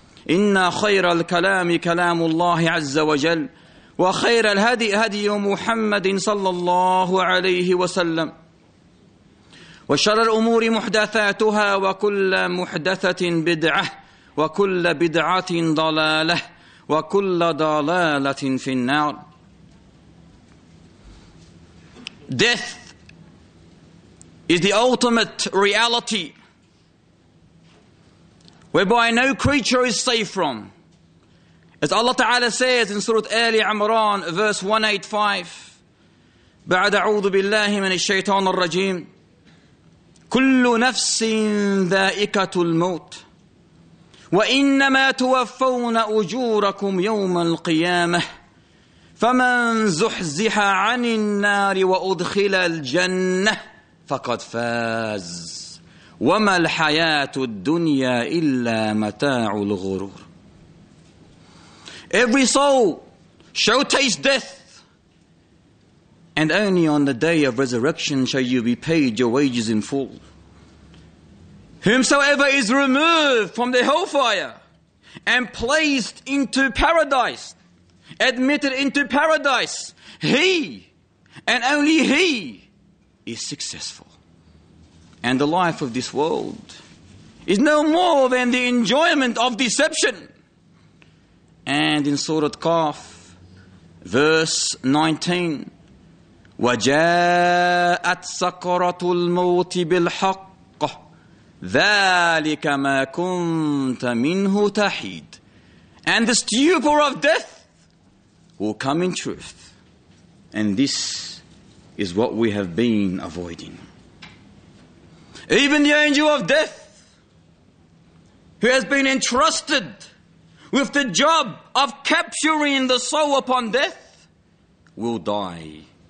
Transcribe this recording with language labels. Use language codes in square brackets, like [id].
[ar] إن خير الكلام كلام الله عز وجل، وخير الهدي هدي محمد صلى الله عليه وسلم، وشر الأمور محدثاتها، وكل محدثة بدعة، وكل بدعة ضلالة، وكل ضلالة في النار. [en] Death is the ultimate reality whereby no creature is safe from. As Allah Ta'ala says in Surah Ali Imran, verse 185, [ar] بعد أعوذ بالله من الشيطان الرجيم كل نفس ذائقة الموت وإنما توفون أجوركم يوم القيامة فمن زحزح عن النار وأدخل الجنة فقد فاز وما الحياة الدنيا إلا متاع الغرور. [en] Every soul shall taste death, and only on the day of resurrection shall you be paid your wages in full. Whomsoever is removed from the hellfire and placed into paradise, admitted into paradise, he and only he is successful. And the life of this world is no more than the enjoyment of deception. And in Surah Qaf, verse 19, [ar] وَجَاءَتْ سَكْرَةُ الْمَوْتِ بِالْحَقِّ ذَٰلِكَ مَا كُنْتَ مِنْهُ تَحِيدُ. [en] And the stupor of death will come in truth. And this is what we have been avoiding. Even the angel of death, who has been entrusted with the job of capturing the soul upon death, will die.